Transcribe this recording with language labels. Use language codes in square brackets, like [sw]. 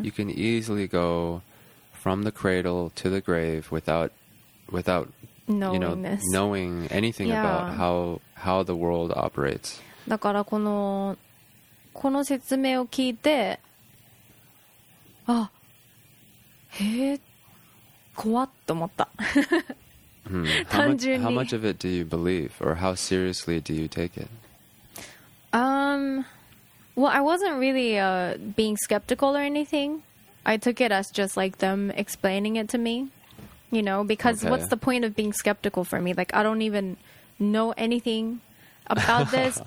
[en] You can easily go from the cradle to the grave without knowing anything、 yeah. about how the world operates. [ja] だからこの説明を聞いて、あ、へえ、怖っと思った。単純に。 [en] How much of it do you believe, or how seriously do you take it? I wasn't really being skeptical or anything. I took it as just like them explaining it to me, you know, because、okay. what's the point of being skeptical for me? Like, I don't even know anything about this.